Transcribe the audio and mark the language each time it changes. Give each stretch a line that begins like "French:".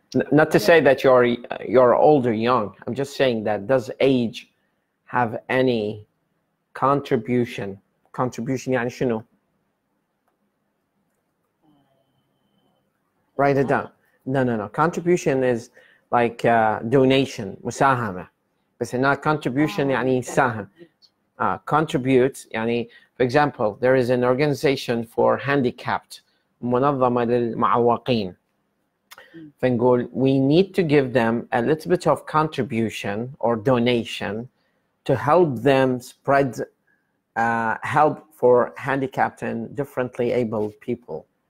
English: Not to say that you're old or young. I'm just saying that does age have any contribution?
Arabic: Contribution, yani شنو?
English: Write it down. No. Contribution is like donation,
Arabic: مساهمة. بس هنا contribution يعني ساهم.
English: Contribute,
Arabic: يعني
English: for example, there is an organization for handicapped,
Arabic: منظمة للمعوقين. فنقول
English: we need to give them a little bit of contribution or donation to help them spread help for handicapped and differently abled people.